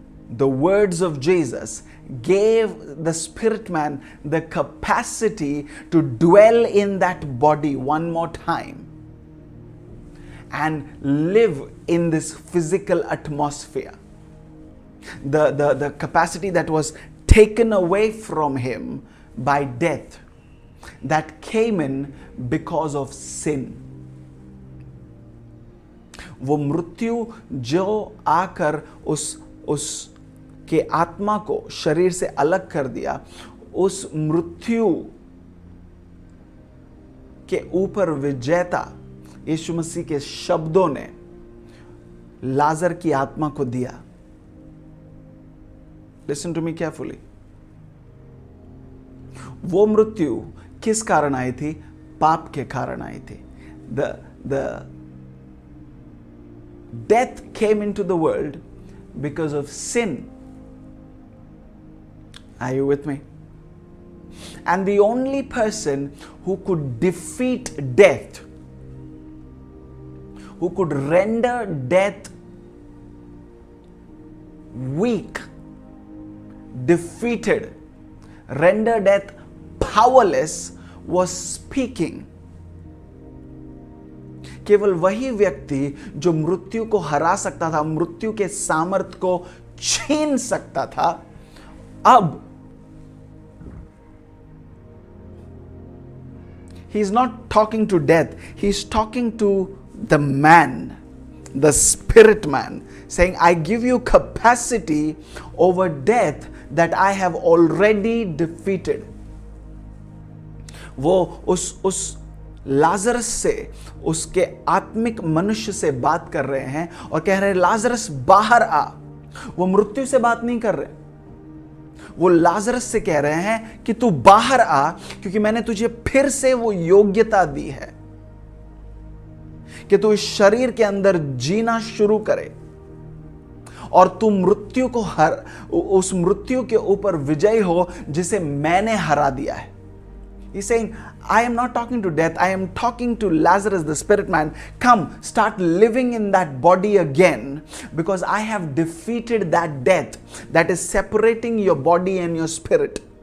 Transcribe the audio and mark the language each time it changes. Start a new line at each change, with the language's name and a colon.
English: The words of Jesus gave the spirit man the capacity to dwell in that body one more time and live in this physical atmosphere. The capacity that was taken away from him by death, that came in because of sin.
Hindi: Wo mrutyu jo aakar us के आत्मा को शरीर से अलग कर दिया, उस मृत्यु के ऊपर विजेता यीशु मसीह के शब्दों ने लाजर की आत्मा को दिया.
English: Listen to me carefully.
Hindi: वो मृत्यु किस कारण आई थी? पाप के कारण आई थी.
English: The death came into the world because of sin. Are you with me? And the only person who could defeat death, who could render death weak, defeated, render death powerless, was speaking.
Hindi: केवल वही व्यक्ति जो मृत्यु को हरा सकता था, मृत्यु के सामर्थ्य को छीन सकता था, अब
English: he's not talking to death. He's talking to the man, the spirit man, saying, I give you capacity over death that I have already defeated.
Hindi: वो उस लाजरस से, उसके आत्मिक मनुष्य से बात कर रहे हैं और कह रहे हैं, लाजरस बाहर आ. वो मृत्यु से बात नहीं कर रहे. वो लाजरस से कह रहे हैं कि तू बाहर आ, क्योंकि मैंने तुझे फिर से वो योग्यता दी है कि तू इस शरीर के अंदर जीना शुरू करे और तू मृत्यु को हर उस मृत्यु के ऊपर विजय हो जिसे मैंने हरा दिया है.
English: He's saying, I am not talking to death. I am talking to Lazarus, the spirit man. Come, start living in that body again, because I have defeated that death that is separating your body and your spirit.